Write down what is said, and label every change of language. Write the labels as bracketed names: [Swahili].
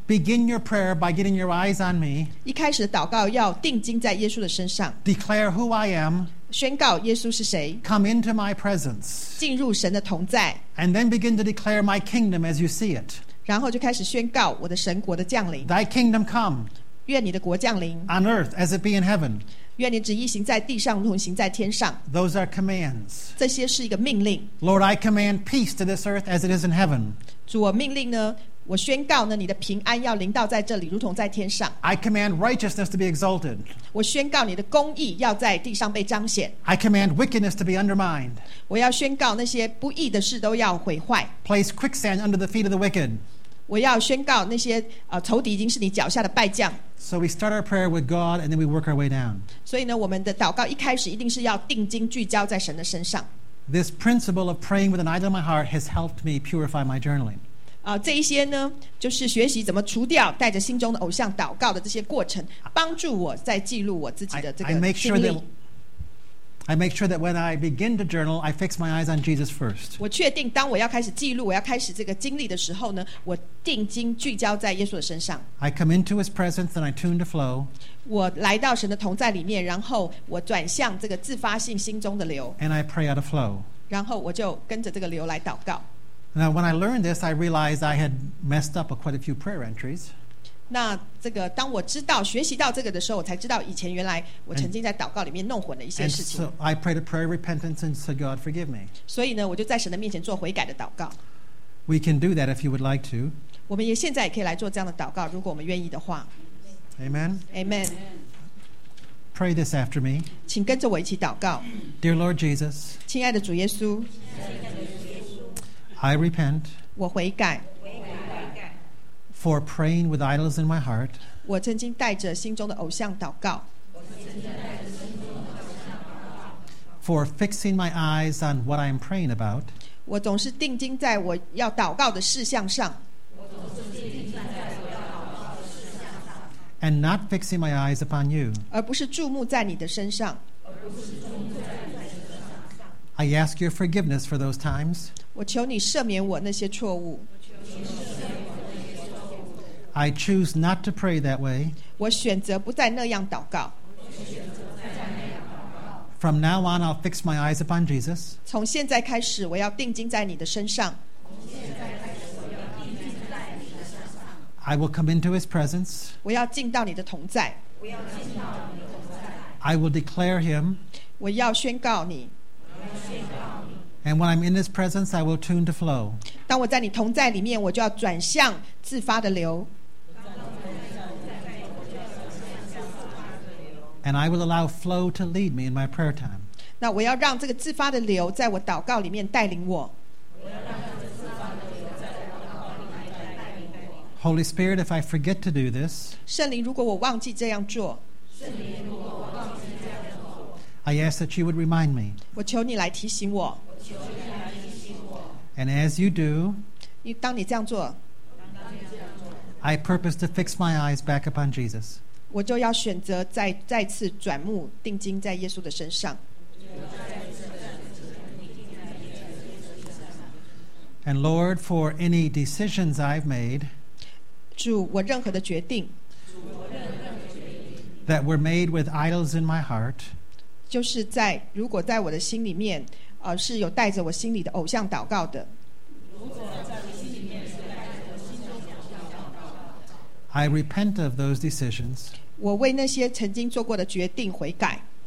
[English] Begin your prayer by getting your eyes on me. [Chinese] 一开始的祷告要定睛在耶稣的身上。 [English] Declare who I am. [Chinese] 宣告耶稣是谁。 [English] Come into my presence. [Chinese] 进入神的同在。 [English] And then begin to declare my kingdom as you see it. [Chinese] 然后就开始宣告我的神国的降临。 [English] Thy kingdom come. [Chinese] 愿你的国降临。 [English] On earth as it be in heaven. [Chinese] 愿你旨意行在地上如同行在天上。 [English] Those are commands. [Chinese] 这些是一个命令。 [English] Lord, I command peace to this earth as it is in heaven. [Chinese] 主我命令呢我宣告呢，你的平安要临到在这里，如同在天上。 [English] I command righteousness to be exalted. [Chinese] 我宣告你的公义要在地上被彰显。 [English] I command wickedness to be undermined. [Chinese] 我要宣告那些不义的事都要毁坏。 [English] Place quicksand under the feet of the wicked. [Chinese] 我要宣告那些仇敌已经是你脚下的败将。 [English] So we start our prayer with God, and then we work our way down. [Chinese] 所以呢，我们的祷告一开始一定是要定睛聚焦在神的身上。 [English] This principle of praying with an idol in my heart has helped me purify my journaling. [Chinese] 这一些呢就是学习怎么除掉带着心中的偶像祷告的这些过程帮助我在记录我自己的这个经历 [English] I make sure that when I begin to journal I fix my eyes on Jesus first [Chinese] 我确定当我要开始记录我要开始这个经历的时候呢我定睛聚焦在耶稣的身上 [English] I come into his presence and I tune to flow [Chinese] 我来到神的同在里面然后我转向这个自发性心中的流 [English] and I pray out of flow [Chinese] 然后我就跟着这个流来祷告 [English] Now, when I learned this, I realized I had messed up quite a few prayer entries. [Chinese] 那这个当我知道学习到这个的时候，我才知道以前原来我曾经在祷告里面弄混了一些事情。 [English] So I prayed a prayer of repentance and said, "God, forgive me." [Chinese] 所以呢，我就在神的面前做悔改的祷告。 [English] We can do that if you would like to. [Chinese] 我们也现在也可以来做这样的祷告，如果我们愿意的话。 [English] Amen. Amen. Pray. Pray this after me. [Chinese] 请跟着我一起祷告。 [English] Dear Lord Jesus, [Chinese] 亲爱的主耶稣, [English] I repent. [Chinese] 我悔改。 [English] For praying with idols in my heart. [Chinese] 我曾经带着心中的偶像祷告。 [English] For fixing my eyes on what I am praying about. [Chinese] 我总是定睛在我要祷告的事项上。 [English] And not fixing my eyes upon you. [Chinese] 而不是注目在你的身上。 [English] I ask your forgiveness for those times. [Chinese] 我求你赦免我那些错误。 [English] I choose not to pray that way. [Chinese] 我选择不再那样祷告。 [English] From now on, I'll fix my eyes upon Jesus. [Chinese] 从现在开始，我要定睛在你的身上。 [English] I will come into his presence. [Chinese] 我要进到你的同在。 [English] I will declare him. [Chinese] 我要宣告你。 [English] And when I'm in his presence, I will tune to flow. [Chinese] 当我在你同在里面，我就要转向自发的流。 [English] And I will allow flow to lead me in my prayer time. [Chinese] 那我要让这个自发的流在我祷告里面带领我。 [English] Holy Spirit, if I forget to do this, [Chinese] 圣灵如果我忘记这样做, [English] I ask that you would remind me. [Chinese] 我求你来提醒我。 [English] And as you do, [Chinese] 当你这样做, [English] I purpose to fix my eyes back upon Jesus. [Chinese] 我就要选择再次转目定睛在耶稣的身上。 [English] And Lord, for any decisions I've made, [Chinese] 主，我任何的决定 [English] that were made with idols in my heart, [Chinese] 就是在如果在我的心里面，是有带着我心里的偶像祷告的。 [English] I repent of those decisions. [Chinese] 我为那些曾经做过的决定悔改。